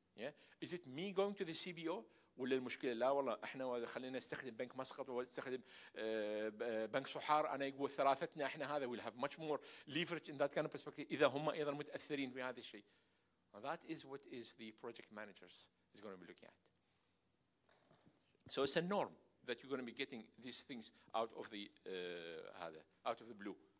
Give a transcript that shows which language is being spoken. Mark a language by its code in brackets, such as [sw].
[en] Yeah, is it me going to the CBO? [ar] ولا المشكلة لا والله احنا خلينا نستخدم بنك مسقط ونستخدم بنك صحار انا يقول ثلاثتنا احنا هذا [en] will have much more leverage in that kind of perspective. [ar] إذا هم أيضا متأثرين بهذا الشيء. [en] And that is what is the project managers is going to be looking at. So it's a norm that you're going to be getting these things out of the out of the blue.